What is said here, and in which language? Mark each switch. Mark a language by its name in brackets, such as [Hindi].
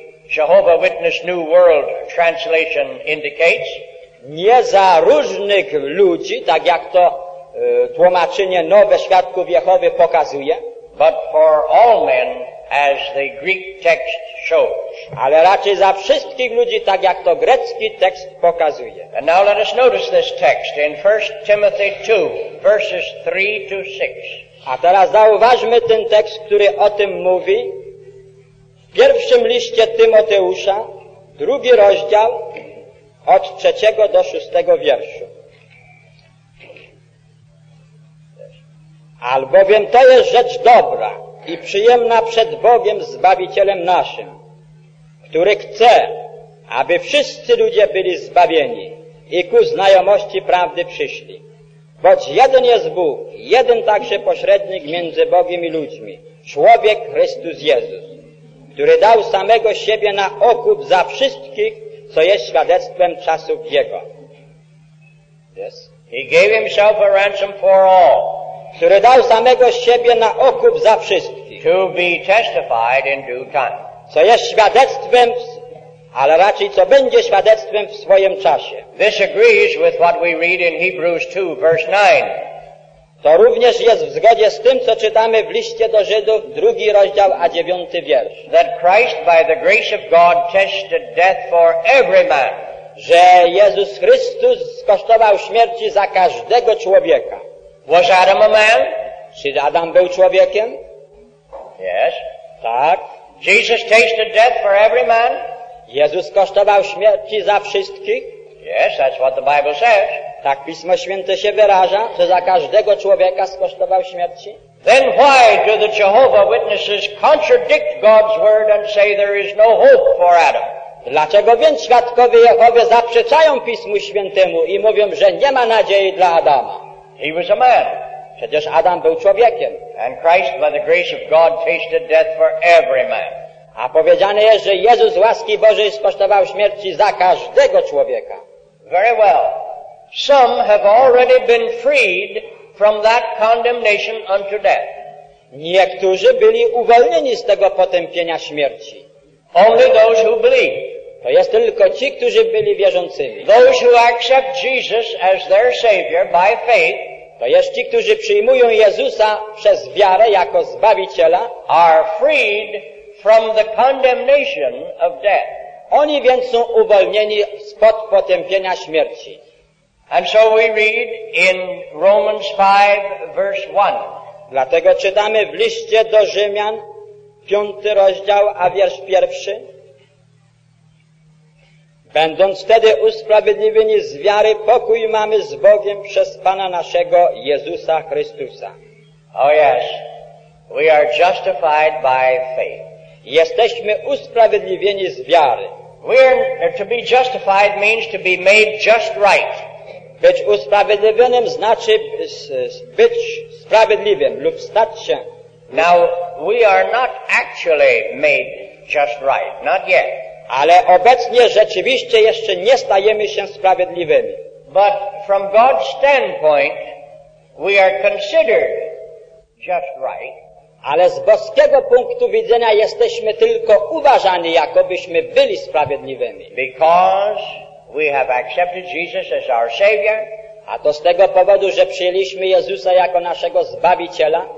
[English] Jehovah Witness New World Translation indicates, [Polish] nie za różnych ludzi, tak jak to tłumaczenie Nowe Świadków Jehowy pokazuje, [English] but for all men, as the Greek text shows. [Polish] Ale raczej za wszystkich ludzi, tak jak to grecki tekst pokazuje. [English] And now let us notice this text in 1 Timothy 2, verses 3-6. [Polish] A teraz zauważmy ten tekst, który o tym mówi. W pierwszym liście Tymoteusza, drugi rozdział, od 3-6 wierszu. Albowiem to jest rzecz dobra i przyjemna przed Bogiem Zbawicielem naszym, który chce, aby wszyscy ludzie byli zbawieni i ku znajomości prawdy przyszli. Boć jeden jest Bóg, jeden także pośrednik między Bogiem i ludźmi, człowiek Chrystus Jezus, który dał samego siebie na okup za wszystkich, co jest świadectwem czasów Jego. [English] Yes. He gave himself a ransom for all. [Polish] Który dał samego siebie na okup za wszystkich. [English] To be testified in due time. [Polish] Co jest świadectwem, ale raczej co będzie świadectwem w swoim czasie. [English] This agrees with what we read in Hebrews 2, verse 9. [Polish] To również jest w zgodzie z tym, co czytamy w liście do Żydów, drugi rozdział, a 9 wiersz. [English] That Christ by the grace of God tested death for every man. [Polish] Że Jezus Chrystus skosztował śmierci za każdego człowieka. [English] Was Adam a man? [Polish] Czy Adam był człowiekiem? [English] Yes. [Polish] Tak. [English] Jesus tasted death for every man. [Polish] Jezus kosztował śmierci za wszystkich. [English] Yes, that's what the Bible says. [Polish] Tak Pismo Święte się wyraża, że za każdego człowieka skosztował śmierci. [English] Then why do the Jehovah Witnesses contradict God's word and say there is no hope for Adam? [Polish] Dlaczego więc Świadkowie Jehowy zaprzeczają Pismu Świętemu i mówią, że nie ma nadziei dla Adama? [English] He was a man. [Polish] Przecież Adam był człowiekiem. [English] And Christ, by the grace of God, tasted death for every man. [Polish] A powiedziane jest, że Jezus łaski Bożej skosztował śmierci za każdego człowieka. [English] Very well. Some have already been freed from that condemnation unto death. [Polish] Niektórzy byli uwolnieni z tego potępienia śmierci. [English] Only those who believe. [Polish] To jest tylko ci, którzy byli wierzącymi. [English] Those who accept Jesus as their Savior by faith. [Polish] To jest ci, którzy przyjmują Jezusa przez wiarę jako Zbawiciela. [English] Are freed from the condemnation of death. [Polish] Oni więc są uwolnieni spod potępienia śmierci. [English] And so we read in Romans 5, verse 1. [Polish] Dlatego czytamy w liście do Rzymian, 5 rozdział, a wiersz 1. Będąc wtedy usprawiedliwieni z wiary, pokój mamy z Bogiem przez Pana naszego Jezusa Chrystusa. [English] Oh yes, we are justified by faith. [Polish] Jesteśmy usprawiedliwieni z wiary. [English] To be justified means to be made just right. [Polish] Być usprawiedliwionym znaczy być sprawiedliwym lub stać się. [English] Now, we are not actually made just right, not yet. [Polish] Ale obecnie rzeczywiście jeszcze nie stajemy się sprawiedliwymi. [English] But from God's standpoint, we are considered just right. [Polish] Ale z boskiego punktu widzenia jesteśmy tylko uważani, jakobyśmy byli sprawiedliwymi. [English] Because we have accepted Jesus as our Savior. [Polish] A to z tego powodu, że przyjęliśmy Jezusa jako naszego Zbawiciela.